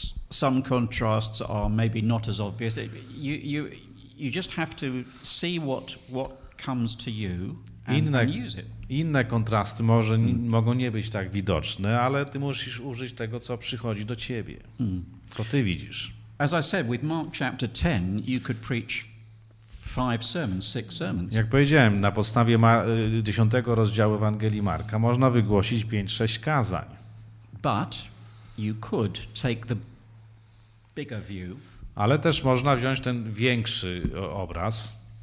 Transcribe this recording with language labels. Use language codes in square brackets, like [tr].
[en] Some contrasts are maybe not as obvious. You just have to see what comes to you. [pl] Inne kontrasty mogą nie być tak widoczne, ale ty musisz użyć tego, co przychodzi do ciebie, co ty widzisz. [en] As I said, with Mark chapter 10, you could preach five sermons, six sermons. [pl] Jak powiedziałem, na podstawie 10 rozdziału Ewangelii Marka można wygłosić 5-6 kazań. [en] But you could take the bigger view. [pl] Ale też można wziąć ten większy obraz.